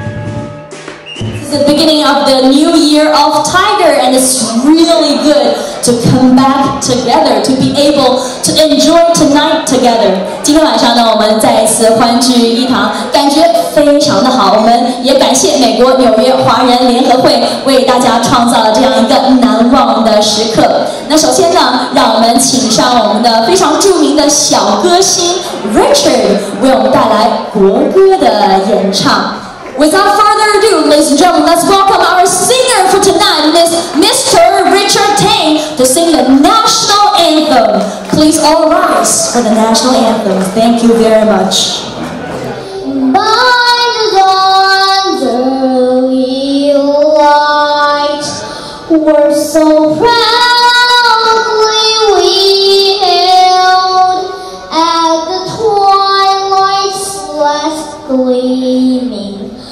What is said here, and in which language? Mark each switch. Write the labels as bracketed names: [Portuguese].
[English] the new year of Tiger, and it's really good to come back together, to be able to enjoy tonight together. [Chinese] 今天晚上呢，我们再一次欢聚一堂，感觉非常的好。我们也感谢美国纽约华人联合会为大家创造了这样一个难忘的时刻。那首先呢，让我们请上我们的非常著名的小歌星 Richard 为我们带来国歌的演唱。 [English] Without further ado, ladies and gentlemen, let's welcome our singer for tonight, Mr. Richard Tang, to sing the national anthem. Please all rise for the national anthem. Thank you very much. By the dawn's early light, we're so proudly we hailed at the twilight's last gleaming.